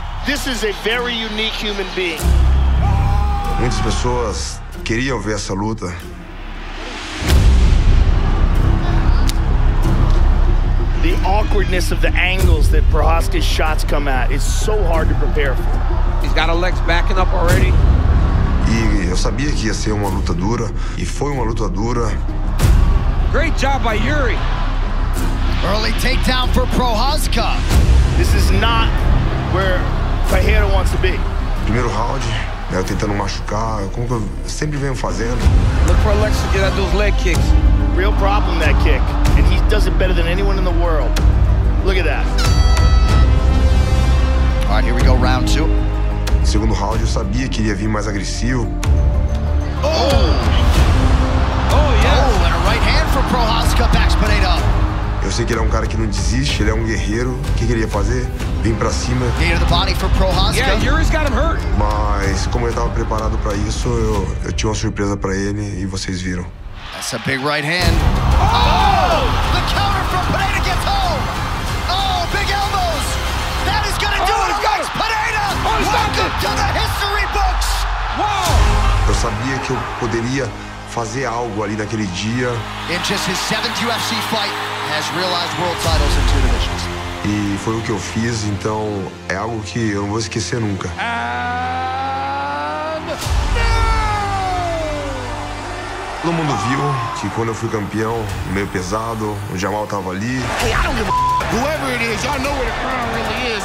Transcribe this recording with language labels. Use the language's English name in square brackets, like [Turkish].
[English] This is a very unique human being. [Portuguese] Muitas pessoas queriam ver essa luta. [English] The awkwardness of the angles that Prochazka's shots come at is so hard to prepare for. He's got Alex backing up already. [Portuguese] E eu sabia que ia ser uma luta dura, e foi uma luta dura. [English] Great job by Yuri. Early takedown for Prochazka. This is not where Pereira wants to be. [Portuguese] Primeiro round, né, eu tentando machucar, como que eu sempre venho fazendo. [English] Look for Alex to get at those leg kicks. Real problem, that kick. And he does it better than anyone in the world. Look at that. All right, here we go, round two. [Portuguese] Segundo round, eu sabia que iria vir mais agressivo. [English] Oh! Oh, yes! Oh, and a right hand for Prochazka, backs Pereira. [Portuguese] Eu sei que ele é um cara que não desiste, ele é um guerreiro. O que ele ia fazer? Vim pra cima. [English] Near the body for Prochazka. Yeah, Yuri's got him hurt. [Portuguese] Mas como ele tava preparado pra isso, eu tinha uma surpresa pra ele e vocês viram. [English] That's a big right hand. Oh! The counter from Pereira gets home! Oh, big elbows! That is gonna do it, Alex Pereira! Welcome to the history books! Wow! [Portuguese] Eu sabia que eu poderia fazer algo ali naquele dia. [English] In just his seventh UFC fight, has realized world titles in two divisions. [Portuguese] E foi o que eu fiz, então é algo que eu não vou esquecer nunca. Todo mundo viu que quando eu fui campeão, meio pesado, o Jamal tava ali. [English] Hey, I don't give a f***. Whoever it is, y'all know where the crown really is.